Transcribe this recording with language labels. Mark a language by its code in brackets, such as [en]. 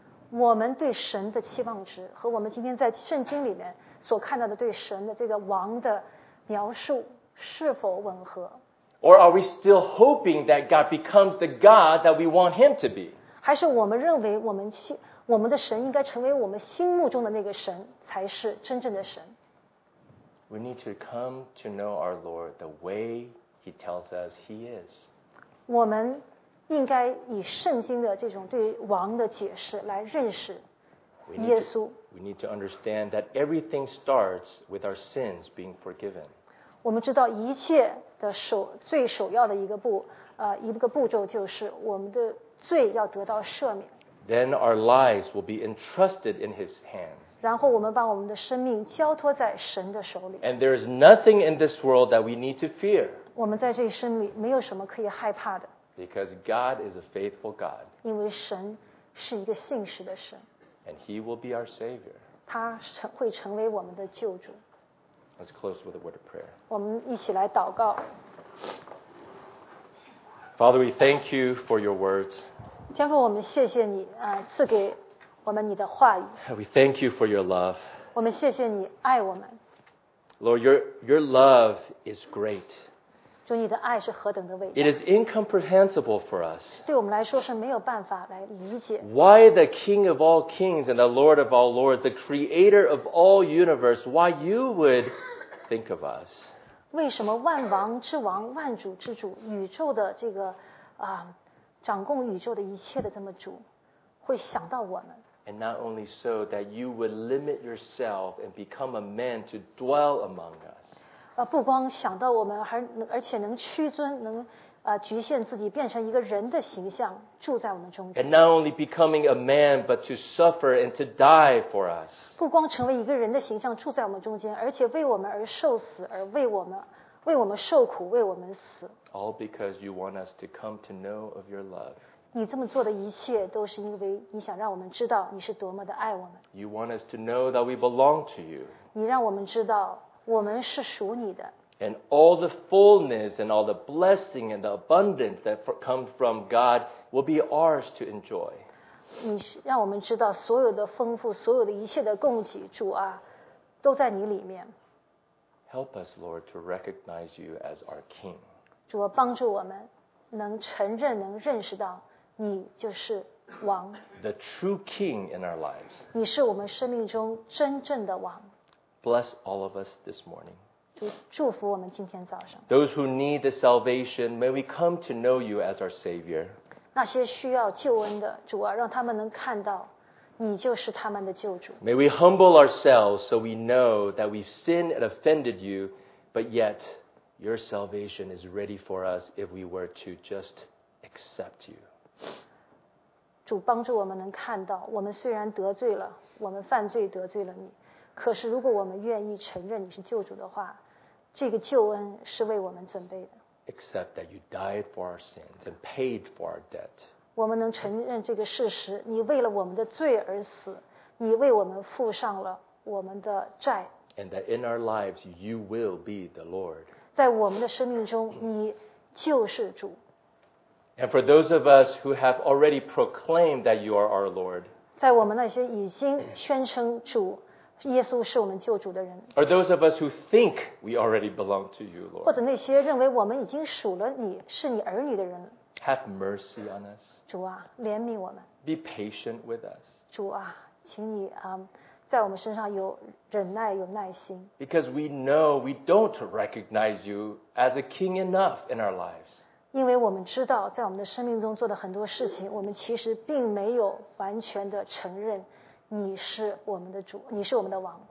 [zh] 我们对神的期望值和我们今天在圣经里面所看到的对神的这个王的描述是否吻合？ [en] Or are we still hoping that God becomes the God that we want him to be? [zh] 还是我们认为我们的神应该成为我们心目中的那个神才是真正的神？ [en] We need to come to know our Lord the wayHe tells us he is. [zh] 我们应该以圣经的这种对王的解释来认识耶稣。 [en] We need to understand that everything starts with our sins being forgiven. [zh] 我们知道一切的最首要的一个步骤就是我们的罪要得到赦免。 [en] Then our lives will be entrusted in his hands. [zh] 然后我们把我们的生命交托在神的手里。 [en] And there is nothing in this world that we need to fear. [zh] 我们在这一生里没有什么可以害怕的。 [en] Because God is a faithful God. [zh] 因为神是一个信实的神。 [en] And he will be our savior. [zh] 他会成为我们的救主。 [en] Let's close with a word of prayer. [zh] 我们一起来祷告。 [en] Father, we thank you for your words. [zh] 天父，我们谢谢你赐给我们你的话语。 [en] We thank you for your love. [zh] 我们谢谢你爱我们。 [en] Lord, your love is great. [zh] 主，你的爱是何等的伟大。 [en] It is incomprehensible for us. [zh] 对我们来说是没有办法来理解。 [en] Why the King of all kings and the Lord of all lords, the Creator of all universe, why you would think of us? [zh] 为什么万王之王、万主之主、宇宙的这个掌控宇宙的一切的这么主？会想到我们。 [en] And not only so, that you would limit yourself and become a man to dwell among us. [zh] 不光想到我们，而且能屈尊，能局限自己，变成一个人的形象，住在我们中间。 [en] And not only becoming a man, but to suffer and to die for us. [zh] 不光成为一个人的形象住在我们中间，而且为我们而受死，而为我们受苦，为我们死。 [en] All because you want us to come to know of your love. [zh] 你这么做的一切，都是因为你想让我们知道你是多么的爱我们。 [en] You want us to know that we belong to you. [zh] 你让我们知道我们是属你的。 [en] And all the fullness and all the blessing and the abundance that come from God will be ours to enjoy. [zh] 你让我们知道所有的丰富，所有的一切的供给，主啊，都在你里面。 [en] Help us, Lord, to recognize you as our King. [zh] 主啊，帮助我们能承认，能认识到你就是王。 [en] The true King in our lives. [zh] 你是我们生命中真正的王。 [en] Bless all of us this morning. [zh] 主祝福我们今天早上。 [en] Those who need the salvation, may we come to know you as our Savior. [zh] 那些需要救恩的，主啊，让他们能看到你就是他们的救主。 [en] May we humble ourselves so we know that we've sinned and offended you, but yet your salvation is ready for us if we were to just accept you. [zh] 主帮助我们能看到，我们虽然得罪了，我们犯罪得罪了你。可是如果我们愿意承认你是救主的话，这个救恩是为我们准备的。 [en] Except that you died for our sins and paid for our debt. [zh] 我们能承认这个事实，你为了我们的罪而死，你为我们付上了我们的债。 [en] And that in our lives you will be the Lord. [zh] 在我们的生命中，你就是主。 [en] And for those of us who have already proclaimed that you are our Lord. [zh] 在我们那些已经宣称主耶稣是我们救主的人。 [en] Or those of us who think we already belong to you, Lord. [zh] 或者那些认为我们已经属了你，是你儿女的人。 [en] Have mercy on us. [zh] 主啊，怜悯我们。 [en] Be patient with us. [zh] 主啊，请你在我们身上有忍耐，有耐心。 [en] Because we know we don't recognize you as a king enough in our lives. [zh] 因为我们知道，在我们的生命中做的很多事情，我们其实并没有完全的承认。你是我们的主，你是我们的王。